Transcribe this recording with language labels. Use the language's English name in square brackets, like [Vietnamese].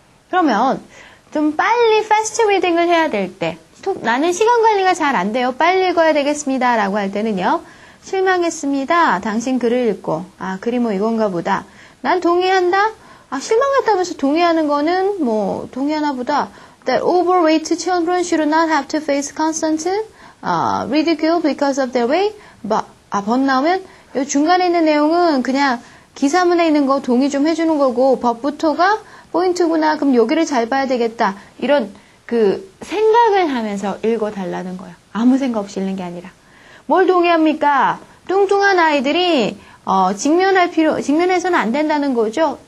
[Korean] 그러면 좀 빨리 fast reading을 해야 될 때. 나는 시간 관리가 잘안 돼요. 빨리 읽어야 되겠습니다. 라고 할 때는요. 실망했습니다. 당신 글을 읽고. 아, 글이 뭐 이건가 보다. 난 동의한다. 아, 실망했다면서 동의하는 거는 뭐, 동의하나 보다. [English] That overweight children should not have to face constant, ridicule because of their weight. [Korean] 뭐, 아, 번 나오면? 요 중간에 있는 내용은 그냥 기사문에 있는 거 동의 좀 해주는 거고, 법부터가 포인트구나. 그럼 여기를 잘 봐야 되겠다. 이런. 그 생각을 하면서 읽어달라는 거예요. 아무 생각 없이 읽는 게 아니라. 뭘 동의합니까? 뚱뚱한 아이들이 직면해서는 안 된다는 거죠.